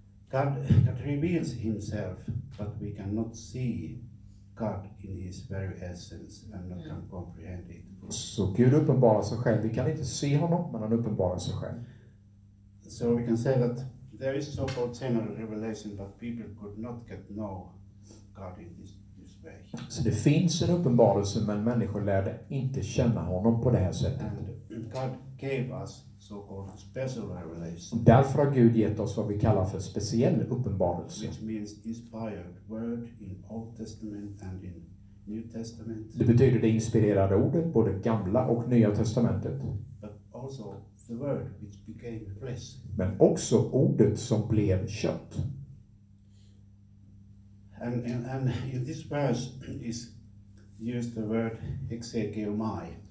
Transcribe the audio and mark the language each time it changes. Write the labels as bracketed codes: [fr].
[en] God reveals himself, but we cannot see God in his very essence and not can comprehend it. [sv] Så Gud uppenbarar sig själv. Vi kan inte se honom, men han uppenbarar sig själv. [en] So we can say that there is so called general revelation, but people could not get know God in this way. [sv] Så det finns en uppenbarelse, men människor lärde inte känna honom på det här sättet. [en] And God gave us so called special revelation. [sv] Och därför har Gud gett oss vad vi kallar för speciell uppenbarelse. [en] Which means inspired word in Old Testament and in New Testament. [sv] Det betyder det inspirerade ordet, både gamla och nya testamentet. [en] But also the word which became flesh. [sv] Men också ordet som blev kött. [en] And in this verse is used the word exegeomai.